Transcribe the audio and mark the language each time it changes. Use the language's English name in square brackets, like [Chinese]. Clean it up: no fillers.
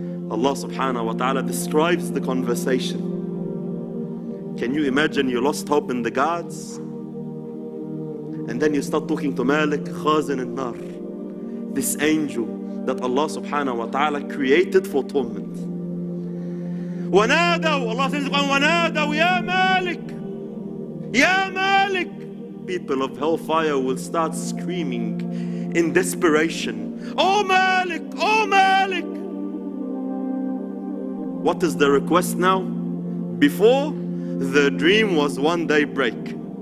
[English] Allah subhanahu wa ta'ala describes the conversation. Can you imagine you lost hope in the gods? And then you start talking to Malik, Khazin al-Nar, this angel that Allah subhanahu wa ta'ala created for torment. [Arabic] وَنَادَوْا. [English] Allah says, [Arabic] وَنَادَوْا يَا مَالِك. يَا مَالِك. [English] People of hellfire will start screaming in desperation. Oh Malik, oh Malik. What is the request now? Before, the dream was one day break.